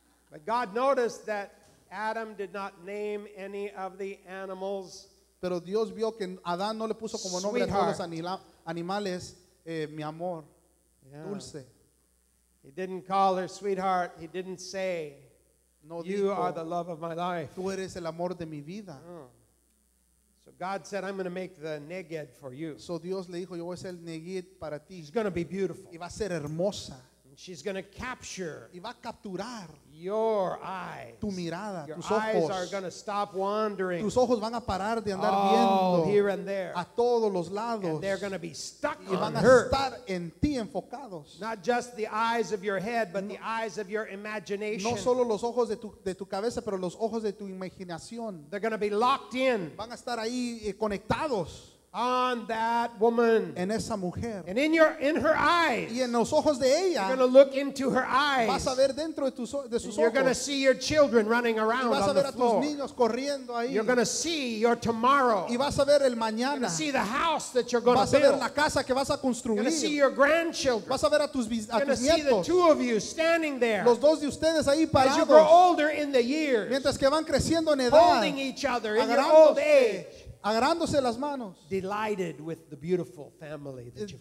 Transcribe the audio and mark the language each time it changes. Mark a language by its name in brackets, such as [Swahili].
[English] But God noticed that Adam did not name any of the animals. [Spanish] Pero Dios vio que Adán no le puso como nombre [English] sweetheart. [Spanish] A todos los animales, mi amor, [English] yeah. [Spanish] Dulce. [English] He didn't call her sweetheart. He didn't say, [Spanish] no [English] "You [Spanish] dijo, [English] are the love of my life." [Spanish] Tú eres el amor de mi vida. Oh. [English] So God said, I'm going to make the Neged for you. [Spanish] So Dios le dijo, yo voy a hacer el Neged para ti. [English] It's going to be beautiful. [Spanish] Y va a ser hermosa. [English] She's going to capture [Spanish] y va a capturar [English] your eyes. [Spanish] Tu mirada, [English] your [Spanish] tus ojos. [English] Eyes are going to stop wandering. [Spanish] Tus ojos van a parar de andar oh, viendo [English] here and there. [Spanish] A todos los lados. [English] And they're going to be stuck [Spanish] y van a [English] her. [Spanish] Estar en ti enfocados. [English] Not just the eyes of your head, but no, the eyes of your imagination. [Spanish] No solo los ojos de tu cabeza, pero los ojos de tu imaginación. [English] They're going to be locked in. [Spanish] Van a estar ahí conectados. [English] On that woman, [Spanish] en esa mujer, [English] and in your in her eyes, [Spanish] y en los ojos de ella, [English] you're going to look into her eyes. [Spanish] Vas a ver dentro de tus de sus ojos. [English] You're going to see your children running around [Spanish] vas [English] on [Spanish] a ver [English] the [Spanish] a [English] floor. [Spanish] Tus niños corriendo ahí. [English] You're going to see your tomorrow. [Spanish] Y vas a ver el mañana. [English] You're going to see the house that you're going [Spanish] vas [English] to build. [Spanish] Vas a ver la casa que vas a construir. [English] You're going to see your grandchildren. [Spanish] Vas a ver a tus [English] you're [Spanish] a tus [English] see [Spanish] nietos. [English] The two of you standing there. [Spanish] Los dos de ustedes ahí parados. [English] As you grow older in the years, [Spanish] mientras que van creciendo en edad, [English] holding each other in your old age. [Spanish] Agarrándose las manos. [English] Delighted with the beautiful family that you've